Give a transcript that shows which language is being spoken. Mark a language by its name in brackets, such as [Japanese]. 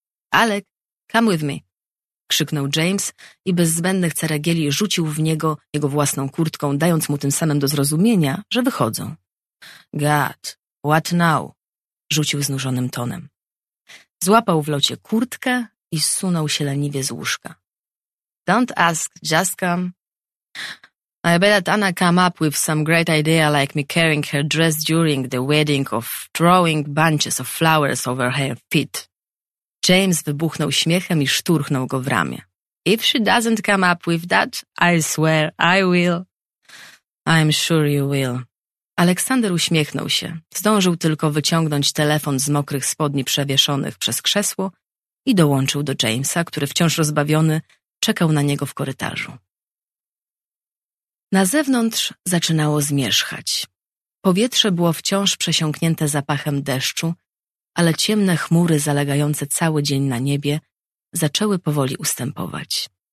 [Polish] Alec, come with me! Krzyknął James i bez zbędnych ceregieli rzucił w niego jego własną kurtką, dając mu tym samym do zrozumienia, że wychodzą. [English] God, what now? Rzucił znużonym tonem. [Polish] Złapał w locie kurtkę i zsunął się leniwie z łóżka. [English] Don't ask, just come. I bet Anna came up with some great idea like me carrying her dress during the wedding or throwing bunches of flowers over her feet. [Polish] James wybuchnął śmiechem i szturchnął go w ramię. [English] If she doesn't come up with that, I swear I will. I'm sure you will. [Polish] Aleksander uśmiechnął się. Zdążył tylko wyciągnąć telefon z mokrych spodni przewieszonych przez krzesło i dołączył do Jamesa, który wciąż rozbawiony czekał na niego w korytarzu. Na zewnątrz zaczynało zmierzchać. Powietrze było wciąż przesiąknięte zapachem deszczu, ale ciemne chmury zalegające cały dzień na niebie zaczęły powoli ustępować.